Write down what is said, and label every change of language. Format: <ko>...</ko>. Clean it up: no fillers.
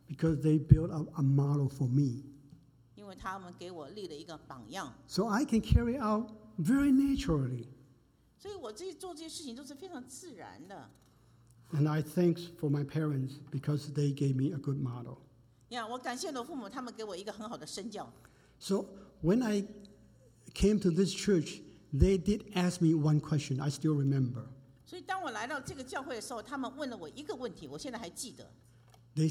<en>Because they built up a model for me.</en> <zh>因为他们给我立了一个榜样。So</zh> <en>I can carry out very naturally.</en> <zh>所以我自己做这些事情都是非常自然的。And</zh> <en>I thank for my parents because they gave me a good model.</en> <zh>Yeah, 我感谢我父母，他们给我一个很好的身教。So</zh> <en>when I came to this church, they did ask me one question. I still remember.</en> <zh>所以当我来到这个教会的时候，他们问了我一个问题，我现在还记得。They</zh>